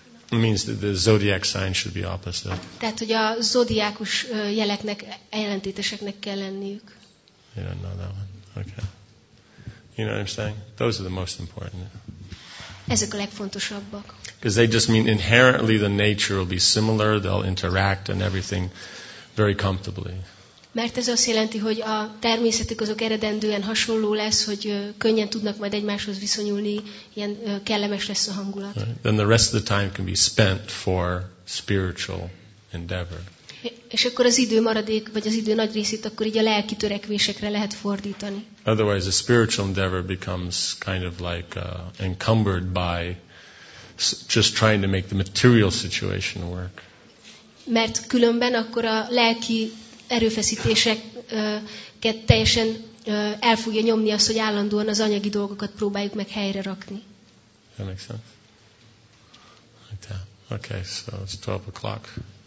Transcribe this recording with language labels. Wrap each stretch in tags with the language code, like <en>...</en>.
<en>It means that the zodiac sign should be opposite.</en> <hu>Tehát hogy a zodiákus jeleknek, ellentéteseknek kell lenniük.</hu> <en>You don't know that one. Okay. You know what I'm saying? Those are the most important.</en> <hu>Ezek a legfontosabbak.</hu> <en>Because they just mean inherently the nature will be similar, they'll interact and everything very comfortably.</en> <hu>Mert ez azt jelenti, hogy a természetük azok eredendően hasonló lesz, hogy könnyen tudnak majd egymáshoz viszonyulni, ilyen kellemes lesz a hangulat.</hu> <en>Right. Then the rest of the time can be spent for spiritual endeavor.</en> <hu>És akkor az idő maradék, vagy az idő nagy részét akkor így a lelki törekvésekre lehet fordítani.</hu> <en>Otherwise, a spiritual endeavor becomes kind of like encumbered by just trying to make the material situation work.</en> <hu>Mert különben akkor a lelki erőfeszítéseket teljesen el fogja nyomni az, hogy állandóan az anyagi dolgokat próbáljuk meg helyre rakni.</hu> <en>That makes sense. Like that. Okay, so it's 12 o'clock.</en>